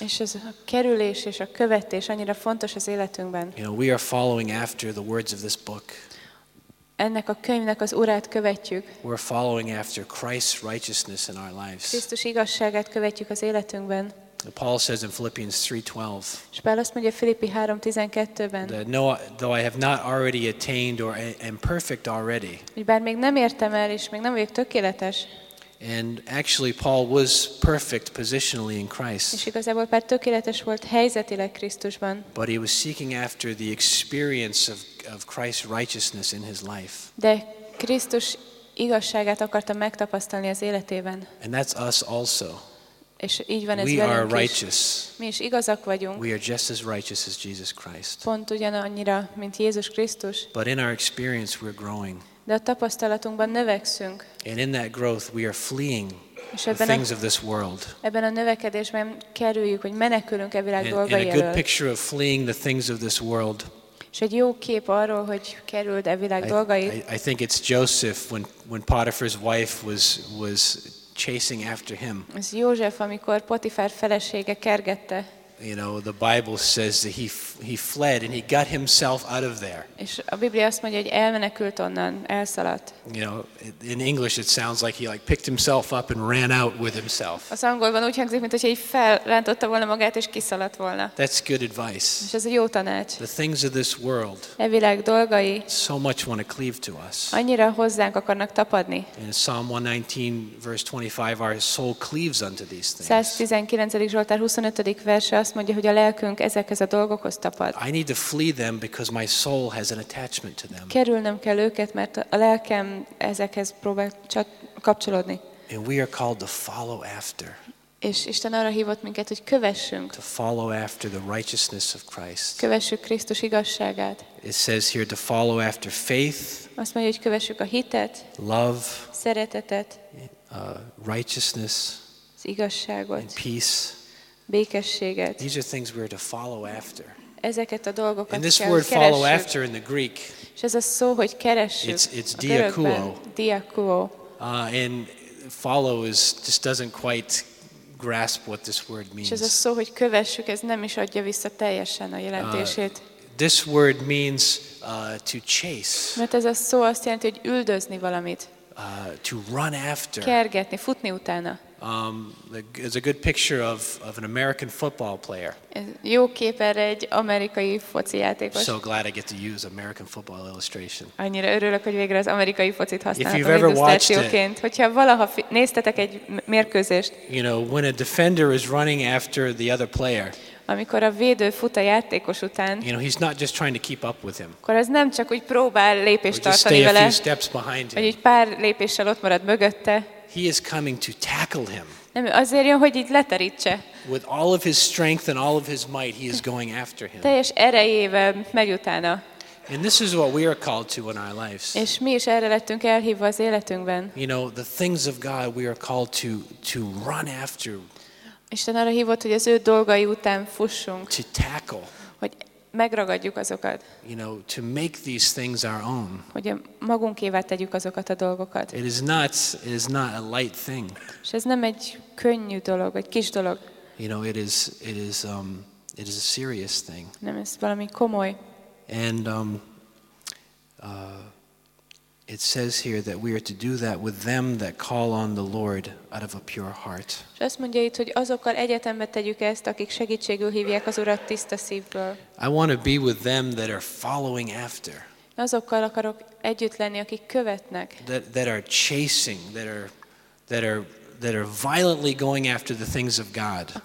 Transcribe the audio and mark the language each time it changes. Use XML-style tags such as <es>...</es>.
<hu>És ez a kerülés és a követés annyira fontos az életünkben.</hu> <en>You know, we are following after the words of this book.</en> <hu>Ennek a könyvnek az urát követjük.</hu> <en>We're following after Christ's righteousness in our lives.</en> <hu>Krisztus igazságát követjük az életünkben.</hu> <en>Paul says in Philippians 3:12.</en> <hu>És Pál azt mondja Filippi 3:12-ben.</hu> <en>Though I have not already attained or am perfect already.</en> <hu>Bár még nem értem el és még nem vagyok tökéletes.</hu> <en>And actually Paul was perfect positionally in Christ.</en> <hu>És igazából Pál tökéletes volt helyzetileg Krisztusban.</hu> <en>But he was seeking after the experience of Christ's righteousness in his life.</en> <hu>De Krisztus igazságát akarta megtapasztalni az életében.</hu> <en>And that's us also.</en> <hu>És így van ez velünk is.</hu> <en>We are righteous.</en> <hu>Mi is igazak vagyunk.</hu> <en>We are just as righteous as Jesus Christ.</en> <hu>Pont ugyanannyira, mint Jézus Krisztus.</hu> <en>But in our experience we're growing.</en> <hu>De a tapasztalatunkban növekszünk.</hu> <en>And in that growth we are fleeing the things of this world.</en> <hu>Ebben a növekedésben kerüljük, hogy menekülünk e világ dolgai elől.</hu> <en>And a good picture of fleeing the things of this world.</en> <hu>És egy jó kép arról, hogy kerüld e világ dolgai.</hu> <en>I think it's Joseph when Potiphar's wife was chasing after him.</en> <hu>Ez József, amikor Potifár felesége kergette.</hu> <en>you know, the Bible says that he fled and he got himself out of there.</en> <hu>És a Biblia azt mondja, hogy elmenekült onnan, elszaladt.</hu> <en>You know, in English it sounds like he like picked himself up and ran out with himself.</en> <hu>Az angolban úgy hangzik, mintha így felrántotta volna magát és kiszaladt volna.</hu> <en>That's good advice.</en> <hu>És ez egy jó tanács.</hu> <en>The things of this world.</en> <hu>E világ dolgai.</hu> <en>So much want to cleave to us.</en> <hu>Annyira hozzánk akarnak tapadni.</hu> <en>In Psalm 119 verse 25, our soul cleaves unto these things.</en> <hu>119. Zsoltár 25. verse azt mondja, hogy a lelkünk ezekhez a dolgokhoz tapad.</hu> <en>I need to flee them because my soul has an attachment to them.</en> <hu>Kerülnem kell őket, mert a lelkem ezekhez próbál kapcsolódni.</hu> <en>And we are called to follow after.</en> <hu>És Isten arra hívott minket, hogy kövessünk.</hu> <en>To follow after the righteousness of Christ.</en> <hu>Kövessük Krisztus igazságát.</hu> <en>It says here to follow after faith.</en> <hu>Azt mondja, hogy kövessük a hitet.</hu> <en>Love.</en> <hu>Szeretetet.</hu> <en>Righteousness.</en> <hu>Az igazságot.</hu> <en>And peace.</en> <hu>Békességet.</hu> <en>These are things we're to follow after.</en> <hu>Ezeket a dolgokat kell.</hu> <en>And this word follow after in the Greek.</en> <hu>És ez a szó, hogy keressük.</hu> <en>It's diakouo.</en> <hu>Diakouo.</hu> <en>And follow is just doesn't quite grasp what this word means.</en> <hu>És ez a szó, hogy kövessük, ez nem is adja vissza teljesen a jelentését.</hu> <en>This word means to chase.</en> <hu>Mert ez a szó azt jelenti, hogy üldözni valamit.</hu> <en>To run after.</en> <hu>Kergetni, futni utána.</hu> <en>There's a good picture of an American football player.</en> <hu>Jó kép erre egy amerikai foci játékos.</hu> <en>So glad I get to use American football illustration.</en> <hu>Annyira örülök, hogy végre az amerikai focit használtam.</hu> <en>If you've ever watched it,</en> <hu>hogyha valaha néztetek egy mérkőzést.</hu> <en>You know, when a defender is running after the other player.</en> <hu>Amikor a védő fut a játékos után.</hu> <en>You know, he's not just trying to keep up with him.</en> <hu>Akkor ez nem csak úgy próbál lépést tartani vele.</hu> <en>Or just stay a few steps behind him.</en> <hu>Vagy egy pár lépéssel ott marad mögötte.</hu> <en>He is coming to tackle him.</en> <hu>Nem, azért jön, hogy így leterítse.</hu> <en>With all of his strength and all of his might, he is going after him.</en> <hu>Teljes erejével megy utána.</hu> <en>And this is what we are called to in our lives.</en> <hu>És mi is erre lettünk elhívva az életünkben.</hu> <en>You know, the things of God we are called to run after.</en> <hu>Isten arra hívott, hogy az ő dolgai után fussunk.</hu> <en>To tackle.</en> <hu>Hogy megragadjuk azokat.</hu> <en>You know, to make these things our own.</en> <hu>Hogy magunkévá tegyük azokat a dolgokat.</hu> <en>It is not a light thing.</en> <hu>És ez nem egy könnyű dolog, egy kis dolog.</hu> <en>You know, it is a serious thing.</en> <hu>Nem, ez valami komoly.</hu> <en>And it says here that we are to do that with them that call on the Lord out of a pure heart.</en> <hu>És azt mondja itt, hogy azokkal egyetemben tegyük ezt, akik segítségül hívják az Urat tiszta szívből.</hu> <en>I want to be with them that are following after.</en> <hu>Azokkal akarok együtt lenni, akik követnek.</hu> <en>That are chasing, that are violently going after the things of God.</en>